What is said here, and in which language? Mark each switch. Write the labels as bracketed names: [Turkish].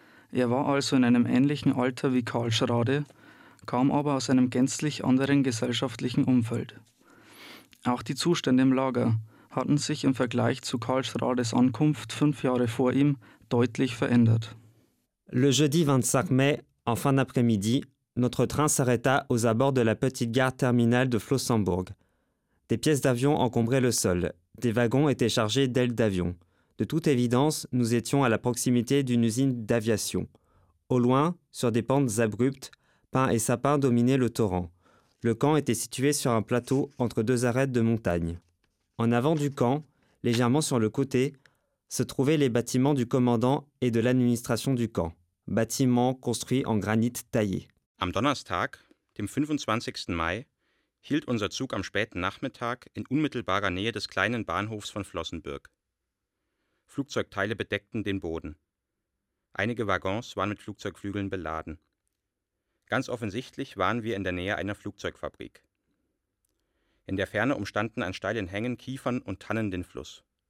[German] Er war also in einem ähnlichen Alter wie Karl Schrade, kam aber aus einem gänzlich anderen gesellschaftlichen Umfeld. Auch die Zustände im Lager hatten sich im Vergleich zu Karl Schrades Ankunft 5 Jahre vor ihm deutlich verändert. [French] Le jeudi 25 mai, en fin d'après-midi, notre train s'arrêta aux abords de la petite gare terminale de Flossenbürg. Des pièces d'avion encombraient le sol, des wagons étaient chargés d'ailes d'avion. De toute évidence, nous étions à la proximité d'une usine d'aviation. Au loin, sur des pentes abruptes, pins et sapins dominaient le torrent. Le camp était situé sur un plateau entre 2 arêtes de montagne. En avant du camp, légèrement sur le côté, se trouvaient les bâtiments du commandant et de l'administration du camp, bâtiments construits en granit taillé. [German] Am Donnerstag, dem 25. Mai, hielt unser Zug am späten Nachmittag in unmittelbarer Nähe des kleinen Bahnhofs von Flossenbürg. Flugzeugteile bedeckten den Boden. Einige Waggons waren mit Flugzeugflügeln beladen. Ganz offensichtlich waren wir in der Nähe einer Flugzeugfabrik. In der Ferne umstanden an steilen Hängen Kiefern und Tannen den Fluss.